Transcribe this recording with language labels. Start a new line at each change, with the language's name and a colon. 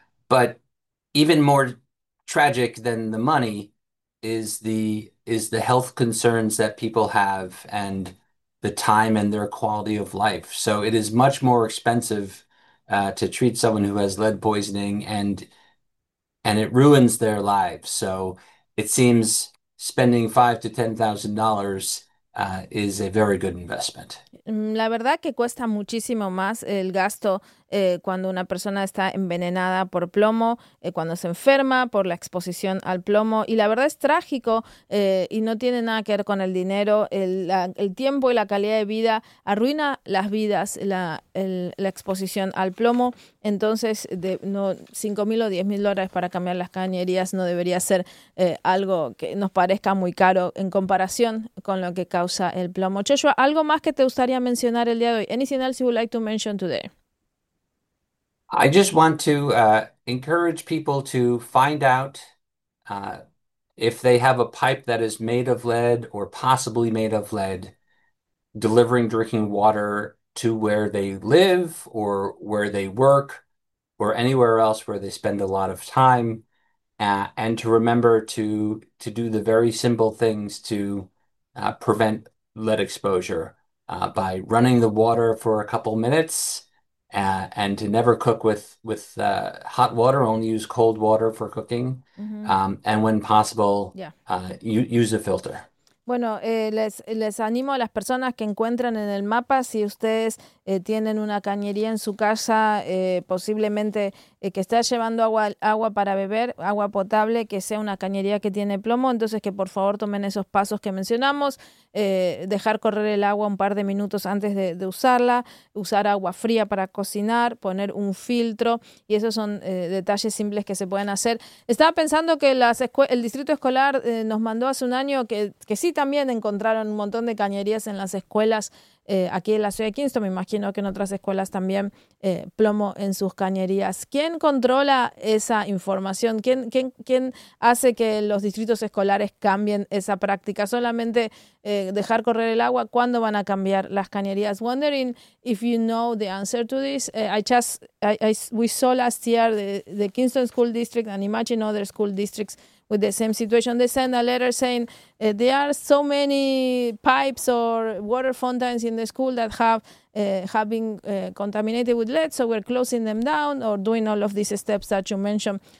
English: But even more tragic than the money is the health concerns that people have and the time and their quality of life. So it is much more expensive to treat someone who has lead poisoning, and it ruins their lives. So it seems spending $5,000 to $10,000 is a very good investment.
Spanish: La verdad que cuesta muchísimo más el gasto cuando una persona está envenenada por plomo, cuando se enferma por la exposición al plomo. Y la verdad es trágico y no tiene nada que ver con el dinero. El tiempo y la calidad de vida arruina las vidas, la exposición al plomo. Entonces, no, 5.000 o $10.000 para cambiar las cañerías no debería ser algo que nos parezca muy caro en comparación con lo que causa el plomo. Joshua, ¿algo más que te gustaría mencionar el día de hoy?
English: Anything else you would like to mention today? I just want to encourage people to find out if they have a pipe that is made of lead or possibly made of lead, delivering drinking water to where they live or where they work or anywhere else where they spend a lot of time, and to remember to do the very simple things to prevent lead exposure. by running the water for a couple minutes, and to never cook with hot water, only use cold water for cooking, and when possible, use a filter.
Spanish: Bueno, les animo a las personas que encuentran en el mapa, si ustedes tienen una cañería en su casa, posiblemente que esté llevando agua para beber, agua potable, que sea una cañería que tiene plomo, entonces que por favor tomen esos pasos que mencionamos, dejar correr el agua un par de minutos antes de usarla, usar agua fría para cocinar, poner un filtro, y esos son detalles simples que se pueden hacer. Estaba pensando que el distrito escolar nos mandó hace un año que sí también encontraron un montón de cañerías en las escuelas. Aquí en la ciudad de Kingston, me imagino que en otras escuelas también plomo en sus cañerías. ¿Quién controla esa información? ¿Quién hace que los distritos escolares cambien esa práctica? Solamente dejar correr el agua, ¿cuándo van a cambiar las cañerías?
English: Wondering if you know the answer to this. We saw last year the Kingston School District and imagine other school districts with the same situation. They send a letter saying there are so many pipes or water fountains in the school that have been contaminated with lead, so we're closing them down or doing all of these steps that you mentioned.